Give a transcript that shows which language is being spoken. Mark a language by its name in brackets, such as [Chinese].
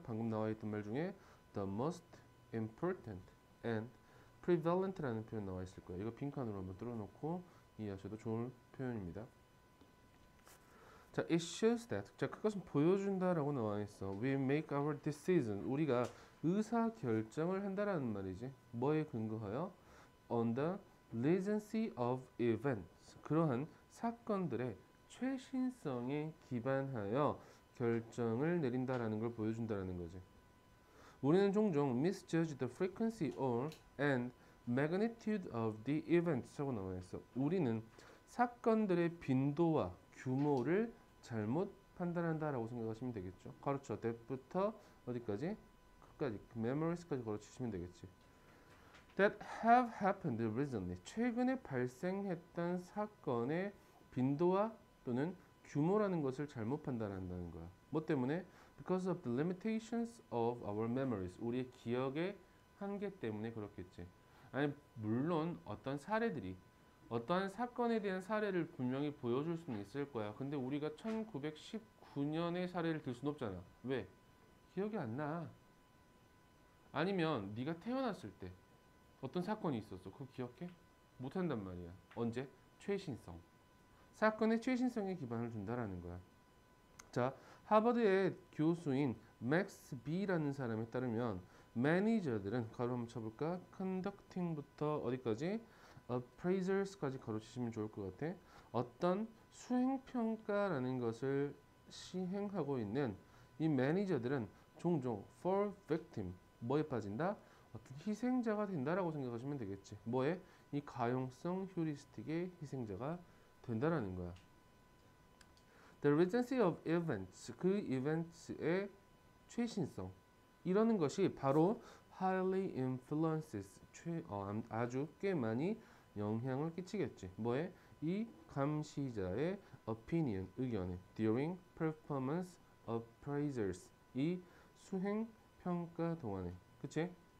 [Korean] 방금 나와 있던 말 중에 [English] the most important and prevalent [Korean] 라는 표현 나와 있을 거야. 이거 빈칸으로 한번 뚫어놓고 이해하셔도 좋은 표현입니다. [English] 자, it shows that. [Korean] 자, 그것은 보여준다라고 나와 있어. [English] We make our decision. [Korean] 우리가 의사결정을 한다라는 말이지. 뭐에 근거하여? [English] On the recency of events. [Korean] 그러한 사건들의 최신성에 기반하여 결정을 내린다라는 걸 보여준다라는 거지. 우리는 종종 [English] misjudge the frequency or and magnitude of the events [Korean] 하고 나와 있어. 우리는 사건들의 빈도와 규모를 잘못 판단한다라고 생각하시면 되겠죠. 그렇죠. That부터 어디까지? 끝까지. memories까지 걸어치시면 되겠지. [English] That have happened recently. [Korean] 최근에 발생했던 사건의 빈도와 또는 규모라는 것을 잘못 판단한다는 거야. 뭐 때문에? [English] Because of the limitations of our memories. [Korean] 우리의 기억의 한계 때문에 그렇겠지. 아니, 물론 어떤 사례들이, 어떠한 사건에 대한 사례를 분명히 보여줄 수는 있을 거야. 근데 우리가 1919년의 사례를 들순 없잖아. 왜? 기억이 안 나. 아니면 네가 태어났을 때 어떤 사건이 있었어? 그거 기억해? 못 한단 말이야. 언제? 최신성. 사건의 최신성에 기반을 둔다라는 거야. 자, 하버드의 교수인 맥스 B라는 사람에 따르면 매니저들은 가로 한번 쳐볼까? conducting부터 어디까지? appraisers까지 가로치시면 좋을 것 같아. 어떤 수행평가라는 것을 시행하고 있는 이 매니저들은 종종 [English] fall victim, [Korean] 뭐에 빠진다? 어떤 희생자가 된다라고 생각하시면 되겠지. 뭐에? 이 가용성 휴리스틱의 희생자가 된다라는 거야. [English] The recency of events, [Korean] 그 이벤트의 최신성. 이러는 것이 바로 [English] highly influences, [Korean] 아주 꽤 많이 영향을 끼치겠지. 뭐에? 이 감시자의 opinion, 의견에. [English] During performance appraisals, [Korean] 이 수행 평가 동안에. 그치?